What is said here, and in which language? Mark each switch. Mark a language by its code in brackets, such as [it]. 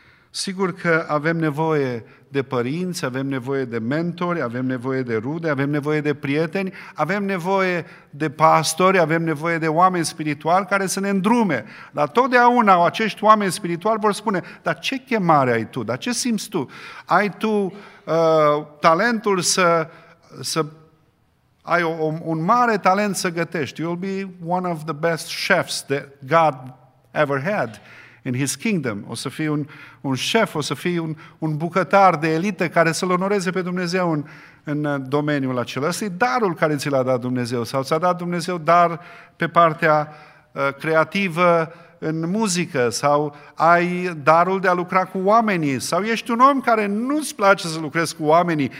[ro] Sigur că avem nevoie de părinți, avem nevoie de mentori, avem nevoie de rude, avem nevoie de prieteni, avem nevoie de pastori, avem nevoie de oameni spirituali care să ne îndrume. Dar totdeauna acești oameni spirituali vor spune: dar ce chemare ai tu? Dar ce simți tu? Ai tu talentul să ai un mare talent să gătești. [en] You'll be one of the best chefs that God ever had in his kingdom. [ro] O să fii un șef, o să fii un bucătar de elită care să-L onoreze pe Dumnezeu în domeniul acela. Asta e darul care ți l-a dat Dumnezeu. Sau ți-a dat Dumnezeu dar pe partea creativă în muzică. Sau ai darul de a lucra cu oamenii. Sau ești un om care nu-ți place să lucrezi cu oamenii.